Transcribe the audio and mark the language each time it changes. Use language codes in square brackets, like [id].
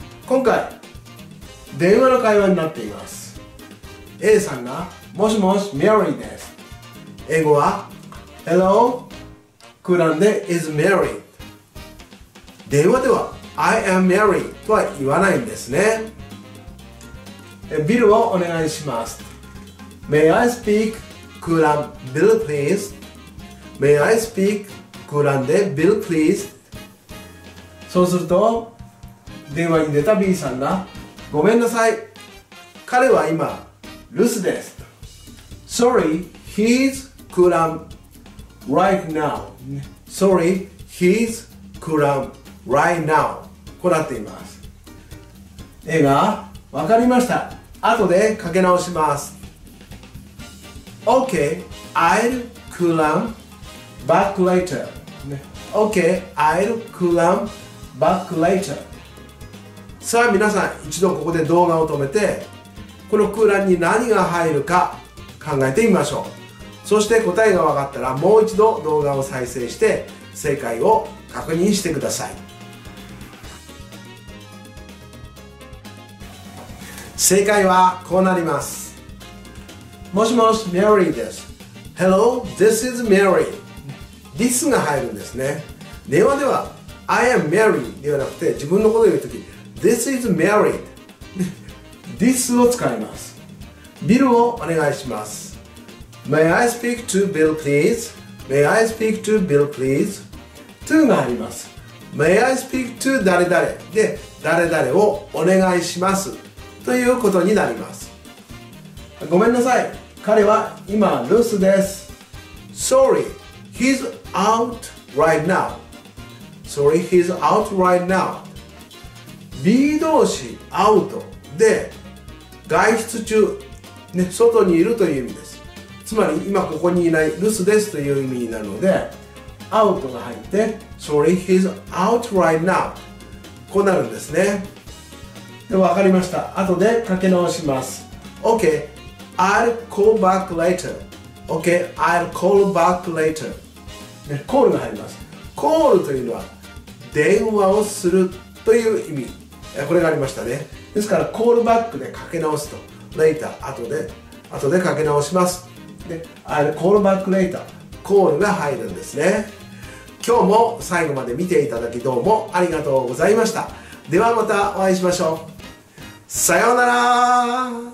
[ja] 今回電話の会話になっています。 A さんがもしもし Mary です。英語は [en] Hello、 [ja] 空欄で [en] Is Mary、 [ja] 電話では [en] I am Mary [ja] とは言わないんですね。ビルをお願いします。 [en] May I speak 空欄 Bill please、 May I speak 空欄で Bill please。 [ja] そうすると電話に出た B さんがごめんなさい、彼は今留守です。 [en] Sorry, he's 空欄 right now。 Sorry, he's 空欄 right now、 [ja] こうなっています。 A が分かりました、後でかけ直します。 [en] OK, I'll call him back later、ね、OK, I'll call him back later。 [ja] さあ皆さん、一度ここで動画を止めてこの空欄に何が入るか考えてみましょう。そして答えが分かったらもう一度動画を再生して正解を確認してください。正解はこうなります。もしもし Mary です。 [en] Hello, this is Mary。 [ja] This が入るんですね。電話では [en] I am Mary [ja] ではなくて、自分のことを言うとき [en] This is Mary [ja] This を使います。ビルをお願いします。 [en] May I speak to Bill please? May I speak to Bill please? [ja] To が入ります。 [en] May I speak to [ja] 誰々で、誰々をお願いしますということになります。ごめんなさい、彼は今留守です。 [en] Sorry, he's out right now。 Sorry, he's out right now。 [ja] B 動詞 out で外出中、ね、外にいるという意味です。つまり今ここにいない、留守ですという意味なので out が入って [en] Sorry, he's out right now、 [ja] こうなるんですね。で、分かりました、後でかけ直します。 [en] OK, I'll call back later。 OK, I'll call back later、 [ja] ね、コールが入ります。コールというのは電話をするという意味、これがありましたね。ですからコールバックでかけ直すと later、 後でかけ直します。で、 [en] I'll call back later、 [ja] コールが入るんですね。今日も最後まで見ていただきどうもありがとうございました。ではまたお会いしましょう。さようならー。